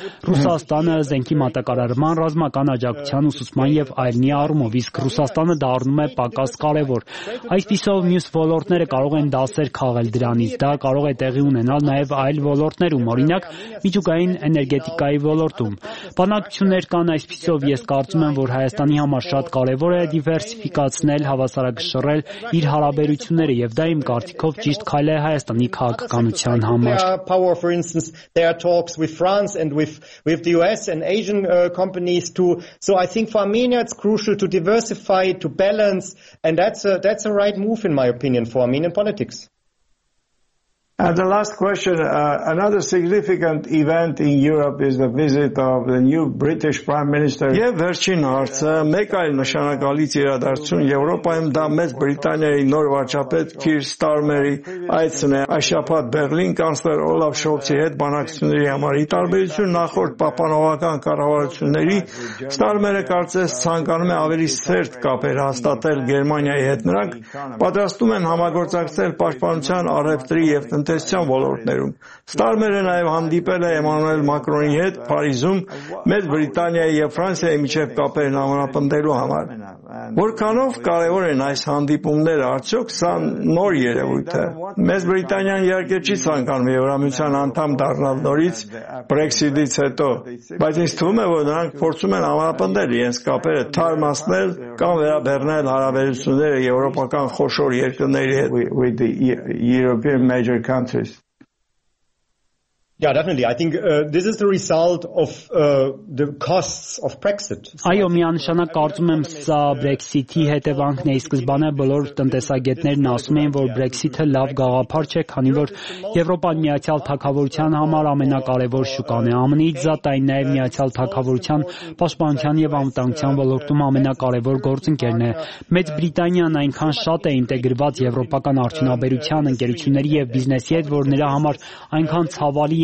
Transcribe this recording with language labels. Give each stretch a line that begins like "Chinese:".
Armenian: Ռուսաստանը, զենքի մատակարարման, ռազմական աջակցության ուսուցման եւ այլնի առումով, իսկ Ռուսաստանը դառնում է պակաս կարևոր։ Այսպիսով մյուս ոլորտները կարող են դասեր քաղել դրանից, դա կարող է տեղի ունենալ նաև այլ ոլորտներում, օրինակ միջուկային էներգետիկայի ոլորտում։ Բանակցություններ կան, այսպիսով ես կարծում եմ, որ Հայաստանի համար շատ կարևոր է դիվերսիֆիկացնել, հավասարակշռել իր հարաբերությունները, եւ դա իմ կարծիքով ճիշտ քայլ է Հայաստանի քաղաքականության համար։
English: Power, for instance, there are talks with France and with the US and Asian companies too. So I think for Armenia it's crucial to diversify, to balance, and that's a right move in my opinion for Armenian politics. And the last question, another significant event in Europe is the visit of the new British Prime Minister.
Armenian: Եվ վերջին հարցը, մեկ այլ նշանակալից իրադարձություն Եվրոպայում, դա մեծ Բրիտանիայի նոր վարչապետ Քիր Ստարմերի այցն է այսապատ Բեռլին, կանսլեր Օլաֆ Շոլցի հետ բանակցությունների համար։ Ի տարբերություն նախորդ պահպանողական կառավարությունների, Ստարմերը կարծես ցանկանում է ավելի սերտ կապեր հաստատել Գերմանիայի հետ։ Նրանք պատրաստում են համագործակցել պաշտպանության առևտրի և ընտեսչական ոլորտներում։ Ստարմերը նաև հանդիպել է Էմանուել Մակրոնի հետ Փարիզում Մեծ Բրիտանիայի եւ Ֆրանսիայի միջև կապերն ամրապնդելու համար։ Որքանով կարևոր են այս հանդիպումները, արդյոք սա նոր երևույթ է։ Մեծ Բրիտանիան իհարկե չի ցանկանում Եվրամիության անդամ դառնալ նորից Brexit-ից հետո, բայց ինձ թվում է, որ նրանք փորձում են ամրապնդել իրենց կապերը, թարմացնել կամ վերաբերնել հարաբերությունները եվրոպական խոշոր երկրների հետ։
English: Major countries. Yeah, definitely. I think this is the result of the costs of Brexit.
Armenian: Այո, միանշանակ կարծում եմ, սա Brexit-ի հետևանքն է։ Ի սկզբանե բոլոր տնտեսագետներն ասում էին, որ Brexit-ը լավ գաղափար չէ, քանի որ Եվրոպան Միացյալ Թագավորության համար ամենակարևոր շուկան է, ԱՄՆ-ից զատ այն նաև Միացյալ Թագավորության պաշտպանության եւ անվտանգության ոլորտում ամենակարևոր գործընկերն է։ Մեծ Բրիտանիան այնքան շատ է ինտեգրված եվրոպական արդյունաբերության ընկերությունների եւ բիզնեսի հետ, որ նրա համար այնքան ցավալի